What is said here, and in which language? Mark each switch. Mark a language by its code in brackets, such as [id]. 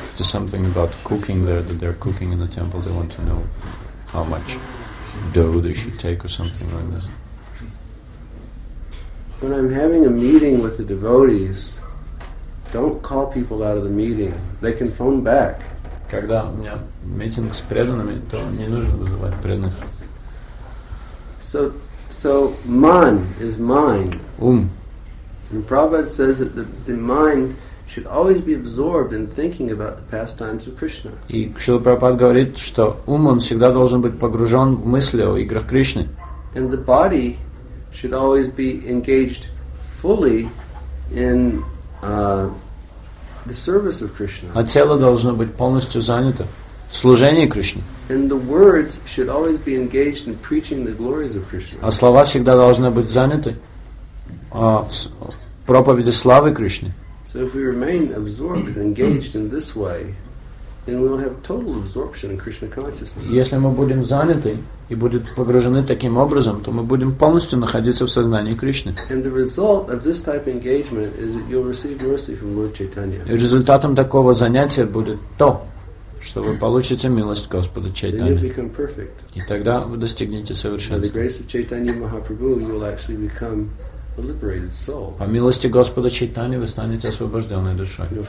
[en] There's something about cooking there, that they're cooking in the temple. They want to know how much dough they should take or something like this. When I'm having a meeting with the devotees, don't call people out of the meeting. They can phone back. [ru] Когда у меня митинг с преданными, то не нужно вызывать преданных. [en] So man is mind. And Prabhupada says that the mind should always be absorbed in thinking about the pastimes of Krishna. [ru] И Шрила Прабхупада говорит, что он всегда должен быть погружен в мысли о играх Кришны. [en] And the body should always be engaged fully in the service of Krishna. [ru] А тело должно быть полностью занято в служении Кришне. [en] And the words should always be engaged in preaching the glories of Krishna. [ru] А слова всегда должны быть заняты в проповеди славы Кришны. [en] So if we remain absorbed and engaged in this way, then we'll have total absorption in Krishna consciousness. [ru] Если мы будем заняты и будем погружены таким образом, то мы будем полностью находиться в сознании Кришны. [en] And the result of this type of engagement is that you'll receive mercy from Lord Chaitanya. [ru] И результатом такого занятия будет то, что вы получите милость Господа Чайтаньи. И тогда вы достигнете совершенства. По милости Господа Чайтаньи вы станете освобожденной душой.